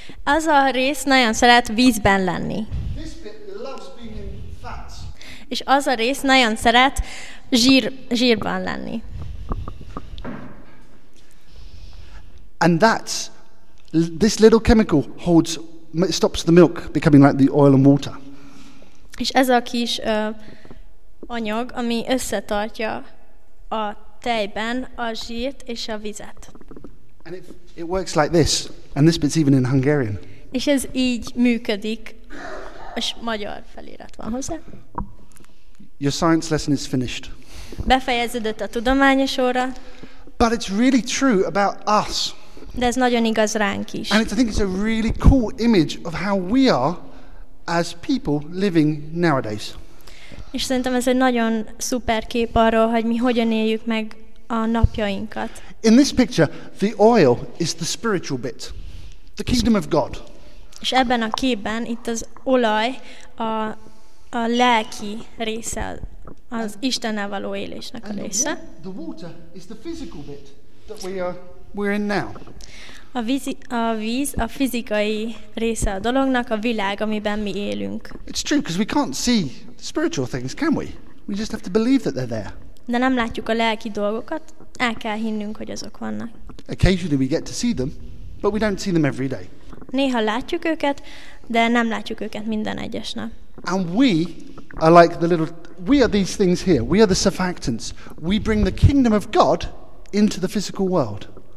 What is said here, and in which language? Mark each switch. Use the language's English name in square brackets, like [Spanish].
[Hungarian] Az a rész nagyon szeret vízben lenni. [English] This bit loves being in fat. [Hungarian] És az a rész nagyon szeret zsírban lenni. [English] And that's, this little chemical holds, it stops the milk becoming like the oil and water. [Hungarian] És ez a kis anyag, ami összetartja a tejben a zsírt és a vizet. [English] And it works like this, and this bit's even in Hungarian. [Hungarian] És ez így működik, és magyar felirat van hozzá. [English] Your science lesson is finished. [Hungarian] Befejeződött a tudományos óra. [English] But it's really true about us. [Hungarian] De ez nagyon igaz ránk is. [English] And I think it's a really cool image of how we are as people living nowadays. [Hungarian] És szerintem ez egy nagyon szuper kép arról, hogy mi hogyan éljük meg a napjainkat. [English] In this picture, the oil is the spiritual bit, the kingdom of God. [Hungarian] És ebben a képben itt az olaj a lelki része, az Istennel való élésnek a része. [English] The water is the physical bit that we're in now. [Hungarian] A víz a fizikai része a dolognak, a világ, amiben mi élünk. [English] It's true, because we can't see the spiritual things, can we? We just have to believe that they're there. [Hungarian] De nem látjuk a lelki dolgokat, el kell hinnünk, hogy azok vannak. [English] Occasionally we get to see them, but we don't see them every day. [Hungarian] Néha látjuk őket, de nem látjuk őket minden egyes nap. [English] And we are like the little, we are these things here, we are the surfactants. We bring the kingdom of God into the physical world.